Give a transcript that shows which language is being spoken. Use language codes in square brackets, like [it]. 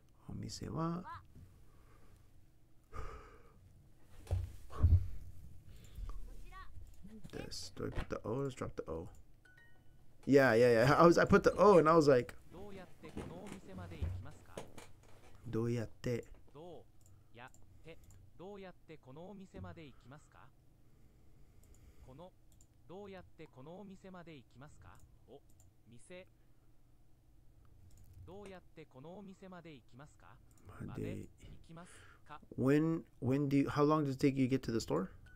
[ja] Omise wa. [en] This. Do I put the O or just drop the O? Yeah. I put the O and I was like. [ja] どうやってどうやってこのお店まで行きますか？このどうやってこのお店まで行きますか？お店どうやってこのお店まで行きますか？まで行きますか？ [en] When do you, how long does it take you to get to the store?